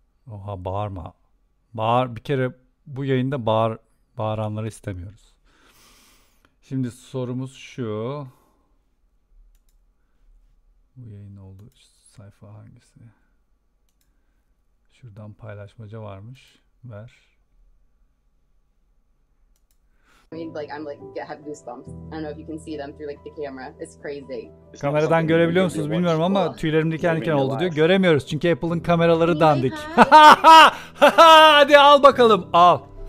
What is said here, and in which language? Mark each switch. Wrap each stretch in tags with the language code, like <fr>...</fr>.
<tr>Oha bağırma. Bağır bir kere bu yayında bağıranları istemiyoruz. Şimdi sorumuz şu. Bu yayın olduğu sayfa hangisi? Şuradan paylaşmaca varmış. Ver.</tr> <en>I mean, like I'm like have goosebumps. I don't know if you can see them through like the camera. It's crazy.</en> <tr>Kameradan görebiliyor musunuz bilmiyorum ama tüylerim diken diken oldu diyor. Göremiyoruz çünkü Apple'ın kameraları dandik. Hadi al bakalım. Al.</tr>